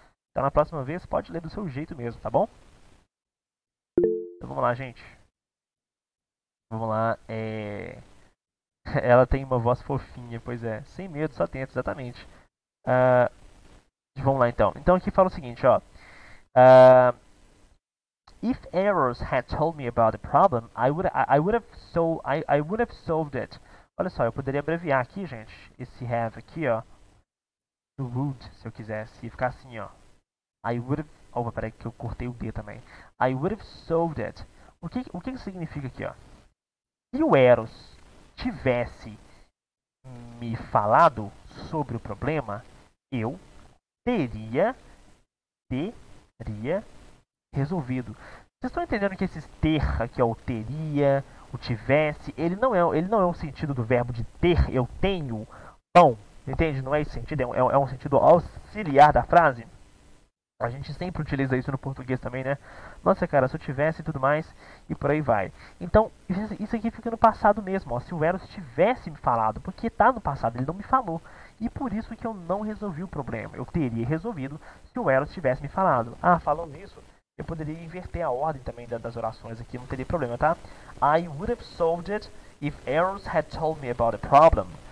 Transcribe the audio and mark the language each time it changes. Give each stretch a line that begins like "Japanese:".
Portuguese: Então, na próxima vez, pode ler do seu jeito mesmo, tá bom? Então, vamos lá, gente. Vamos lá, ela tem uma voz fofinha, pois é. Sem medo, só tenta, exatamente. Vamos lá então. Então aqui fala o seguinte, ó.
English: If Eros had told me about the problem, I would have solved it.
Portuguese: Olha só, eu poderia abreviar aqui, gente, esse have aqui, ó. Would, se eu quisesse, e ficar assim, ó.
English: I would have.
Portuguese: Opa, peraí que eu cortei o D também.
English: I would have solved it.
Portuguese: O que significa aqui, ó? Se o Eros tivesse me falado sobre o problema, eu teria resolvido. Vocês estão entendendo que esse ter, que é o teria, o tivesse, ele não é um sentido do verbo de ter, eu tenho, bom, entende? Não é esse sentido, é um sentido auxiliar da frase. A gente sempre utiliza isso no português também, né? Nossa, cara, se eu tivesse e tudo mais, e por aí vai. Então, isso aqui fica no passado mesmo, ó. Se o Eros tivesse me falado, porque tá no passado, ele não me falou. E por isso que eu não resolvi o problema. Eu teria resolvido se o Eros tivesse me falado. Ah, falando nisso, eu poderia inverter a ordem também das orações aqui, não teria problema, tá?
English: I would have solved it if Eros had told me about the problem.